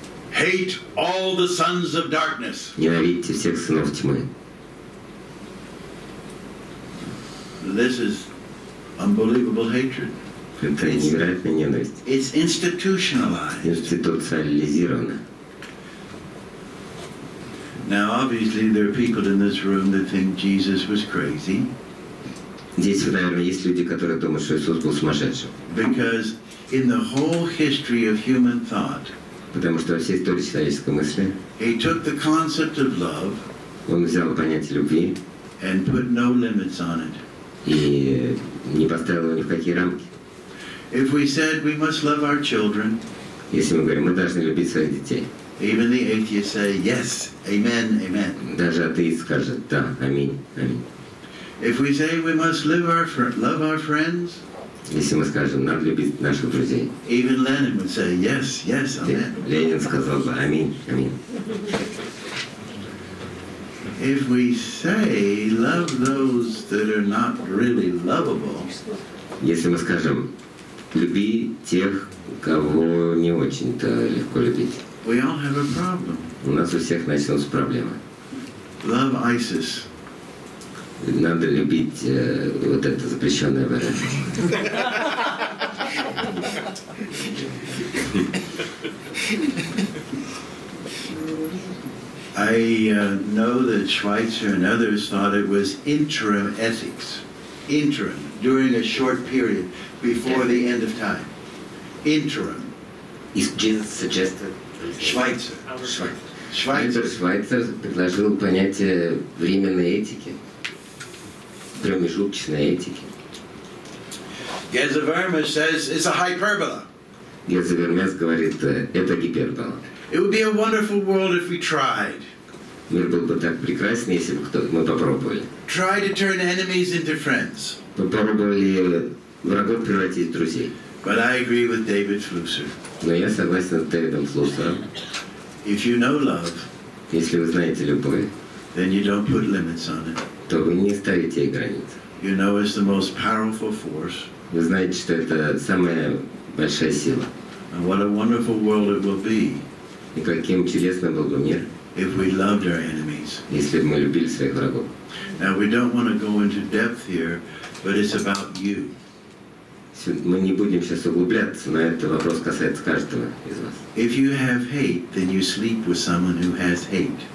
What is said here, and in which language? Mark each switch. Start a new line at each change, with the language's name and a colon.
English: Hate all the sons of darkness.
Russian: Ненавидьте всех сынов тьмы.
English: This is unbelievable hatred.
Russian: Это невероятная ненависть.
English: It's institutionalized.
Russian: Институциализировано.
English: Now obviously there are people in this room that think Jesus was crazy.
Russian: Здесь, наверное, есть люди, которые думают, что Иисус был сумасшедшим.
English: Because in the whole history of human thought,
Russian: потому что во всей истории человеческой мысли
English: he took the concept of love,
Russian: он взял понятие любви
English: and put no limits on it.
Russian: И не поставил его ни в какие рамки.
English: If we said we must love our children,
Russian: если мы говорим, мы должны любить своих детей,
English: even the atheist say, yes, amen, amen.
Russian: Даже атеист скажет, да, аминь, аминь.
English: If we say we must love our friends,
Russian: если мы скажем, надо любить наших друзей,
English: even Lenin would say, yes, yes, amen.
Russian: Ленин сказал бы, аминь, аминь.
English: If we say love those that are not really lovable,
Russian: если мы скажем, люби тех, кого не очень-то легко любить,
English: we all have a problem.
Russian: У нас у всех начнутся проблемы.
English: Love ISIS.
Russian: Надо любить вот это запрещенное выражение.
English: I know that Schweitzer and others thought it was interim ethics. Interim, during a short period before the end of time. Interim. Is Jesus suggested? Schweitzer.
Russian: Schweitzer. Schweitzer предложил понятие временной этики. Промежуточной этики.
English: Гезавермес says it's a hyperbola.
Russian: Гезавермес говорит, это гипербола.
English: It would be a wonderful world if we tried.
Russian: Мир был бы так прекрасен, если бы мы попробовали.
English: Try to turn enemies into friends.
Russian: Попробовали врагов превратить в друзей.
English: But I agree with David Flusser.
Russian: Но я согласен с Дэвидом Флусером.
English: If you know love,
Russian: если вы знаете любовь,
English: then you don't put limits on it.
Russian: То вы не ставите ей границ.
English: You know it's the most powerful force.
Russian: Вы знаете, что это самая большая сила.
English: And what a wonderful world it will be.
Russian: И каким чудесным был бы мир.
English: If we loved our enemies.
Russian: Если бы мы любили своих врагов.
English: Now we don't want to go into depth here, but it's about you.
Russian: Мы не будем сейчас углубляться, но этот вопрос касается каждого из вас.
English: If you have hate, then you sleep with someone who has hate.